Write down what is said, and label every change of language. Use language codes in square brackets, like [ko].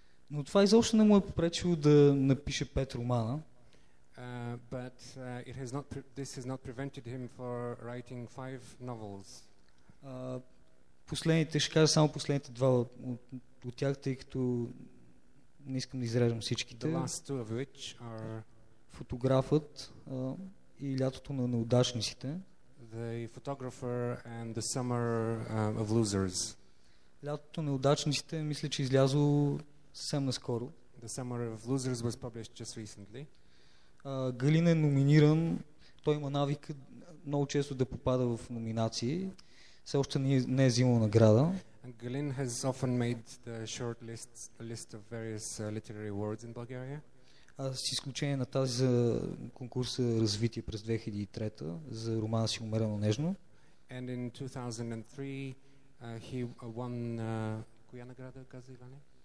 [bg] Но това изобщо не му е попречило да напише пет романа. [en] But it has not this has not prevented him for writing five novels. [bg] Последните, ще кажа само последните два от тях, тъй като не искам да изрежам всичките. [en] The last two of which are [bg] Фотографът и Лятото на неудачниците. [en] The photographer and the summer of losers. [bg] Лятото на неудачниците, мисля, че излязло съвсем наскоро. [en] The summer of losers was published just recently. [bg] Галин е номиниран. Той има навика много често да попада в номинации. Все още не е взимал награда. [en] And Galin has often made the short lists, a list of various literary awards in Bulgaria. [bg] С изключение на тази за конкурса Развитие през 2003 за романа си Умерено нежно. [en] And in 2003 he won [bg] коя награда, каза Иване?